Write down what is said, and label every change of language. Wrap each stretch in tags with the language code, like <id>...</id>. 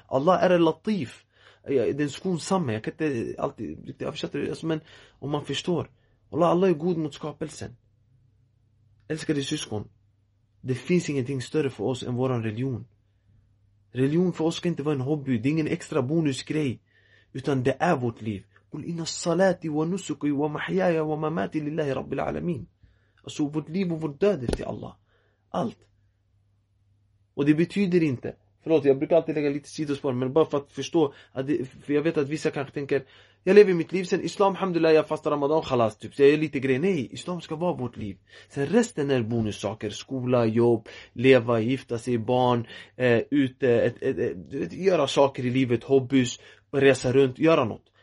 <sv>Allah är al-latif, den skonsamma. Jag kan inte alltid riktigt översätta det, alltså, men om man förstår. Allah är god mot skapelsen. Älskade syskon, det finns ingenting större för oss än vår religion. Religion för oss ska inte vara en hobby. Det är ingen extra bonusgrej. Utan det är vårt liv.</sv> <ar>قل إن الصلاة ونسك ومحياي ومماتي لله رب العالمين.</ar> <sv>Alltså vårt liv och vårt död är till Allah. Allt. Och det betyder inte, förlåt, jag brukar alltid lägga lite sidospår, men bara för att förstå att det, för jag vet att vissa kanske tänker, jag lever mitt liv sen islam, alhamdulillah, jag fastar ramadan, khalas, typ, så jag gör lite grejer. Nej, islam ska vara vårt liv. Sen resten är bonussaker, skola, jobb, leva, gifta sig, barn, ute, göra saker i livet, hobbys, resa runt, göra något.</sv>